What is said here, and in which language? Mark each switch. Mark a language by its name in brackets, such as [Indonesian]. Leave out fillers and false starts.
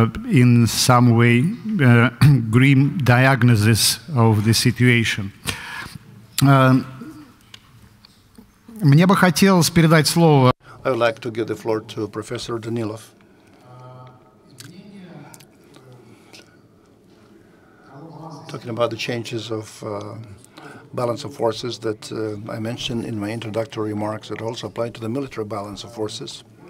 [English] In some way, grim diagnosis of the situation. [Russian] Мне бы хотелось передать слово. [English] I would like to give the floor to Professor Danilov. Talking about the changes of balance of forces that I mentioned in my introductory remarks, that also apply to the military balance of forces.